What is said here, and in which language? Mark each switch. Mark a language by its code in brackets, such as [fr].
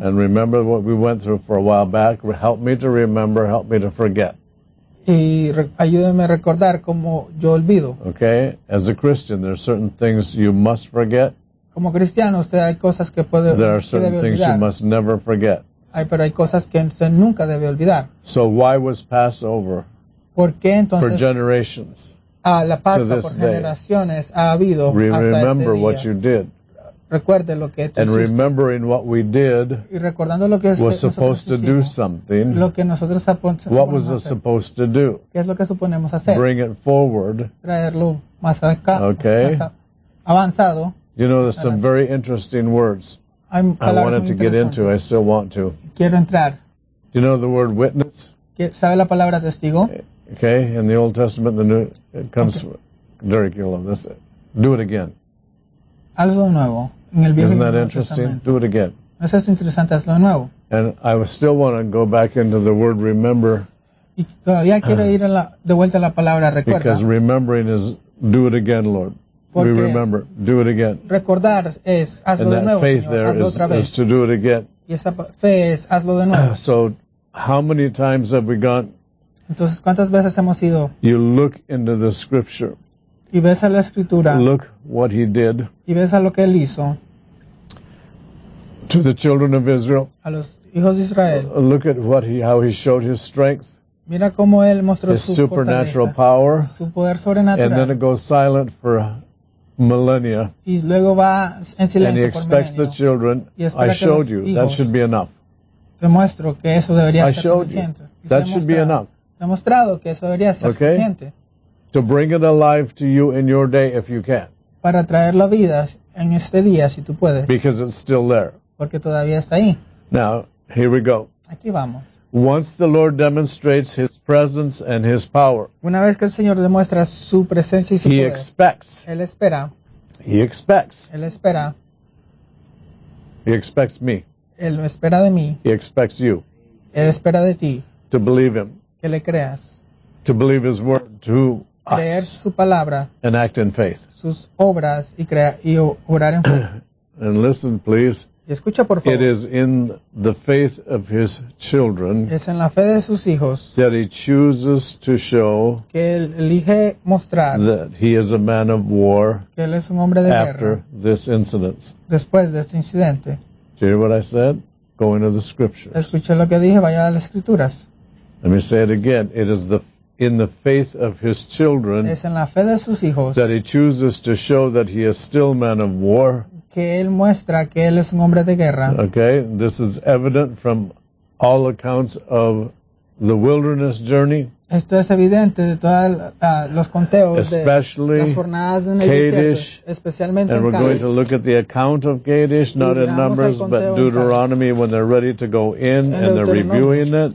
[en] And remember what we went through for a while back. Help me to remember, help me to forget. [es] Y ayúdenme a recordar como yo olvido. [en] Okay, as a Christian, there are certain things you must forget. [es] Como cristiano, usted hay cosas que puede olvidar. [en] There are certain things you must never forget. [es] Ay, pero hay cosas que usted nunca debe olvidar. [en] So why was Passover [es] ¿Por qué, entonces, [en] for generations? [es] La Pascua por generaciones [en] day. [es] Ha habido hasta este día. [en] Remember what you did. [es] Recuerde lo que tú hiciste. [en] And remembering what we did [es] y recordando lo que [en] was supposed to do something. [es] Lo que nosotros suponemos [en] what was it supposed to do? [es] ¿Qué es lo que suponemos hacer? [en] Bring it forward. [es] Traerlo más acá. [en] Okay. [es] Más avanzado. [en] You know, there's some very interesting words I wanted to get into. I still want to. [es] Quiero entrar. [en] Do you know the word witness? [es] ¿Sabe la palabra testigo? [en] Okay, in the Old Testament, the New it comes. Okay. Derek, you'll love this. Do it again. [es] Hazlo nuevo. En el [en] Isn't that interesting? Do it again. [es] Eso es interesante. Hazlo nuevo. [en] And I still want to go back into the word remember. [es] Y todavía quiero ir a la, de vuelta a la palabra recuerda. [en] Because remembering is do it again, Lord. [es] Porque [en] we remember. Do it again. [es] Recordar es hazlo de nuevo. [en] And faith [es] señor. [en] There is to do it again. [es] Y esa fe es hazlo de nuevo. [en] So, how many times have we gone? [es] Entonces, ¿cuántas veces hemos ido? [en] You look into the scripture. [es] y ves a la escritura, [en] look what he did, [es] y ves a lo que él hizo, [en] to the children of Israel, [es] a los hijos de Israel, [en] look at what he, how he showed his strength, [es] mira cómo él mostró [en] his [es] su [en] supernatural power, [es] su poder sobrenatural, [en] and then it goes silent for millennia, [es] y luego va en silencio, [en] and he expects [es] milenio, [en] the children, I showed you, [es] hijos, [en] that should be enough. [es] Demuestro que eso debería [en] I showed [es] ser [en] you, that should be enough. [es] Demostrado que eso debería ser [en] okay? [es] suficiente. [en] To bring it alive to you in your day if you can. [es] Para traer la vida en este día si tú puedes. [en] Because it's still there. [es] Porque todavía está ahí. [en] Now, here we go. [es] Aquí vamos. [en] Once the Lord demonstrates his presence and his power. [es] Una vez que el Señor demuestra su presencia y su [en] he [es] poder. [en] He expects. [es] Él espera. [en] He expects. [es] Él espera. [en] He expects me. [es] Él espera de mí. [en] He expects you. [es] Él espera de ti. [en] To believe him. [es] Que le creas. [en] To believe his word to [es] us. Creer su palabra. [en] And act in faith. [es] Sus obras y orar en fe. [en] And listen, please. [es] Y escucha, por favor. [en] It is in the faith of his children. [es] Es en la fe de sus hijos. [en] That he chooses to show. [es] Que él elige mostrar. [en] That he is a man of war. [es] Que él es un hombre de [en] after [es] guerra. [en] After this incident. [es] Después de este incidente. [en] Do you hear what I said? Go into the scriptures. [es] Escuché lo que dije. Vaya a las escrituras. [en] Let me say it again. It is the in the faith of his children [es] es en la fe de sus hijos [en] that he chooses to show that he is still man of war. [es] Que él muestra que él es un hombre de guerra. [en] Okay, this is evident from all accounts of the wilderness journey. [es] Esto es evidente de todos los conteos [en] especially [es] de las jornadas en Kadesh, el desierto, especialmente [en] and [es] en [en] we're [es] Kadesh. [en] Going to look at the account of Kadesh, not in Numbers, but Deuteronomy when they're ready to go in and they're reviewing it.